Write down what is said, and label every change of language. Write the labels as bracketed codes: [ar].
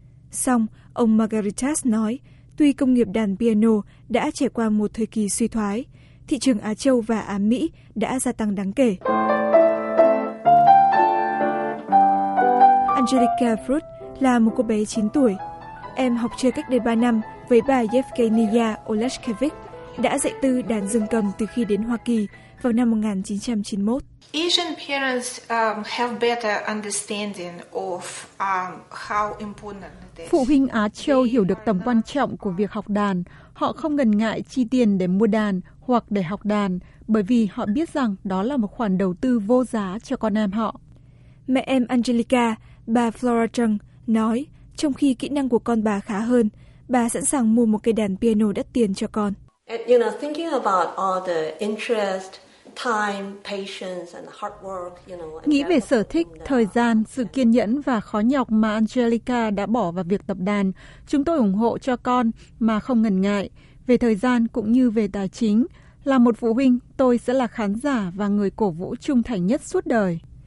[vi] Xong, ông Margaritas nói, tuy công nghiệp đàn piano đã trải qua một thời kỳ suy thoái, thị trường Á Châu và Á Mỹ đã gia tăng đáng kể. Angelica Fruit là một cô bé 9 tuổi. Em học chơi cách đây 3 năm với bà Yevgenia Oleshkevich, đã dạy tư đàn dương cầm từ khi đến Hoa Kỳ vào năm 1991. [en] Asian parents have better understanding of how important. [vi] Phụ huynh Á Châu hiểu được tầm quan trọng của việc học đàn. Họ không ngần ngại chi tiền để mua đàn hoặc để học đàn bởi vì họ biết rằng đó là một khoản đầu tư vô giá cho con em họ. Mẹ em Angelica, bà Flora Trung, nói trong khi kỹ năng của con bà khá hơn, bà sẵn sàng mua một cây đàn piano đắt tiền cho con. [en] And, you know, thinking about all the interest, time, patience and hard work, you know. [vi] Nghĩ về sở thích, thời gian, sự kiên nhẫn và khó nhọc mà Angelica đã bỏ vào việc tập đàn, chúng tôi ủng hộ cho con mà không ngần ngại về thời gian cũng như về tài chính. Là một phụ huynh, tôi sẽ là khán giả và người cổ vũ trung thành nhất suốt đời.